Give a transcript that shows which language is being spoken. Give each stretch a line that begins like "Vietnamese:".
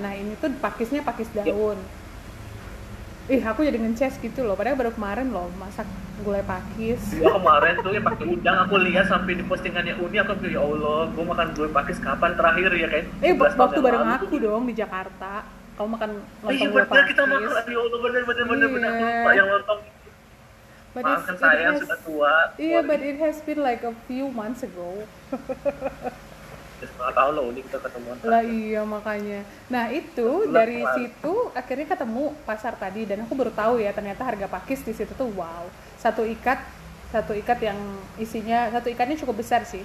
Indonesian: Nah ini tuh pakisnya pakis daun. Yep. Ih, aku jadi nge-chess gitu loh, padahal baru kemarin loh masak gulai pakis. Gue kemarin tuh yang pakai udang, aku lihat sampai di postingannya Uni, aku pilih, ya Allah, gue makan gulai pakis kapan terakhir ya, kayak waktu bareng aku dong di Jakarta, kamu makan lontong gulai pakis. Iya bener, kita makan, ya Allah, bener, aku lupa yang lontong. But maafkan saya, sudah tua.
English: Iya, yeah, but it has been like a few months ago.
Indonesian: Gak tau loh, ini kita ketemu. Lah iya, makanya. Nah itu, dari situ akhirnya ketemu pasar tadi. Dan aku baru tahu ya, ternyata harga pakis di situ tuh wow. Satu ikat yang isinya, satu ikatnya cukup besar sih.